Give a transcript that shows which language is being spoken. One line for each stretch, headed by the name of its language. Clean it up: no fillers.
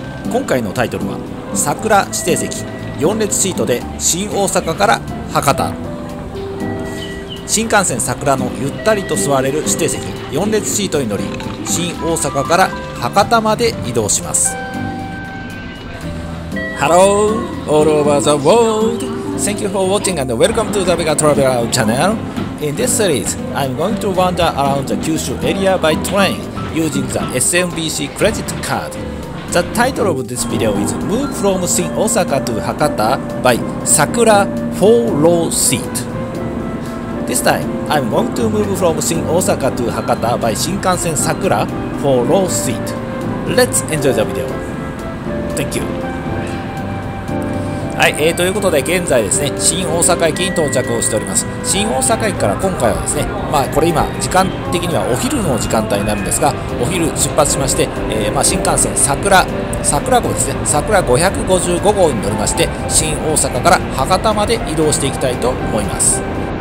Japanese: 今回のタイトルは桜指定席4列シートで新大阪から博多。新幹線桜のゆったりと座れる指定席4列シートに乗り、新大阪から博多まで移動します。
English: ハローオールオーバーザウォールド。 Thank you for watching and welcome to the Vega Traveler Channel. In this series, I'm going to wander around the Kyushu area by train using the SMBC credit card. The title of this video is Move from Shin Osaka to Hakata by Sakura 4 Row Seat. This time, I'm going to move from Shin Osaka to Hakata by Shinkansen Sakura 4 Row Seat. Let's enjoy the video. Thank you.
Japanese: はい、ということで現在ですね、新大阪駅に到着をしております。新大阪駅から今回はですね、まあこれ今時間的にはお昼の時間帯になるんですが、お昼出発しまして、まあ新幹線桜号ですね、桜555号に乗りまして、新大阪から博多まで移動していきたいと思います。